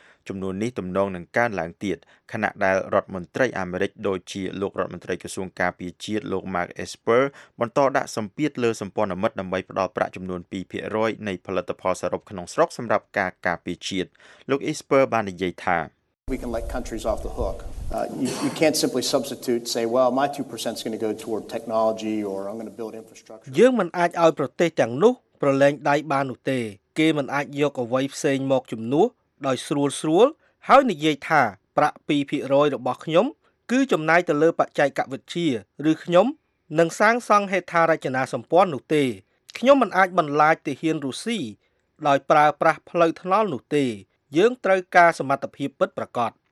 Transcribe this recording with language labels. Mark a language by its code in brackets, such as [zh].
[km] ចំនួននេះទំនងនឹងកើនឡើងទៀតខណៈដែលរដ្ឋមន្ត្រីអាមេរិកដូចជាលោករដ្ឋមន្ត្រីក្រសួងការពារជាតិលោក Mark Esper បន្តដាក់សម្ពាធលើសម្ព័ន្ធមិត្តដើម្បីផ្តល់ប្រាក់ចំនួន 2% នៃផលិតផលសរុបក្នុងស្រុកសម្រាប់ការការពារជាតិលោក Esper បាននិយាយថា [en] We can let countries off the hook. You can't simply substitute say well my 2% is going to go toward technology or I'm going to build infrastructure. [km] យើងមិនអាចឲ្យប្រទេសទាំងនោះប្រឡែងដៃបាននោះទេគេមិនអាចយកអ្វីផ្សេងមកជំនួសដោយស្រួលស្រួលហើយនិយាយថាប្រាក់ 2% របស់ខ្ញុំគឺចំណាយទៅលើបច្ចេកវិទ្យាឬខ្ញុំនឹងសាងសង់ហេដ្ឋារចនាសម្ព័ន្ធនោះទេខ្ញុំមិនអាចបន្លាចទៅហានរុស្ស៊ីដោយប្រើប្រាស់ផ្លូវថ្នល់នោះទេយើងត្រូវការសមត្ថភាពពិតប្រាកដ